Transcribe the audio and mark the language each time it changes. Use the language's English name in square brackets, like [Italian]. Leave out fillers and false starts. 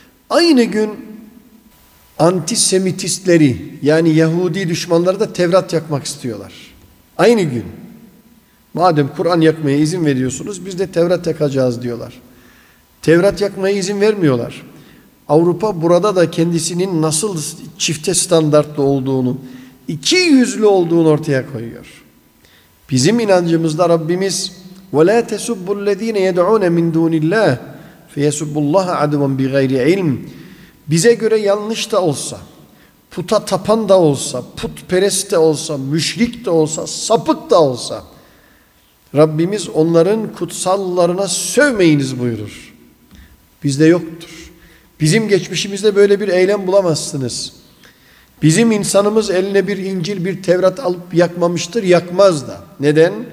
[Turkish] Aynı gün antisemitistleri, yani Yahudi düşmanları da Tevrat yakmak istiyorlar. Aynı gün. Madem Kur'an yakmaya izin veriyorsunuz, biz de Tevrat yakacağız diyorlar. Tevrat yakmaya izin vermiyorlar. Avrupa burada da kendisinin nasıl çifte standartlı olduğunu, iki yüzlü olduğunu ortaya koyuyor. Bizim inancımızda Rabbimiz [Arabic] وَلَا تَسُبُّ الَّذ۪ينَ يَدْعُونَ مِنْ دُونِ اللّٰهِ فَيَسُبُّ اللّٰهَ عَدْوًا بِغَيْرِ عِلْمٍ. [Turkish] Bize göre yanlış da olsa, puta tapan da olsa, putperest de olsa, müşrik de olsa, sapık da olsa, Rabbimiz onların kutsallarına sövmeyiniz buyurur. Bizde yoktur. Bizim geçmişimizde böyle bir eylem bulamazsınız. Bizim insanımız eline bir İncil, bir Tevrat alıp yakmamıştır, yakmaz da. Neden?